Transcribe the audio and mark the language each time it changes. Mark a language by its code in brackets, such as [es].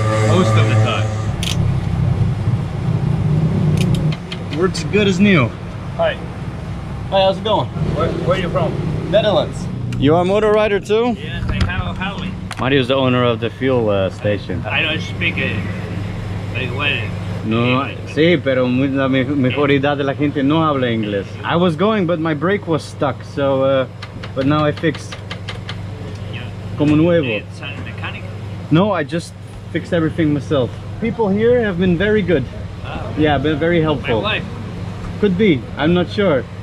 [en] Most of the time. Works good as new. Hi. Hi, how's it going? Where are you from? Netherlands. You are a motor rider too? Yeah. Mario is the owner of the fuel station. I don't speak English. [es] No, sí, pero la mayoría de la gente no habla inglés. [en] I was going, but my brake was stuck, so, but now I fixed. [es] Como nuevo. [en] No, I just fixed everything myself. People here have been very good. Yeah, been very helpful. My wife. Could be, I'm not sure.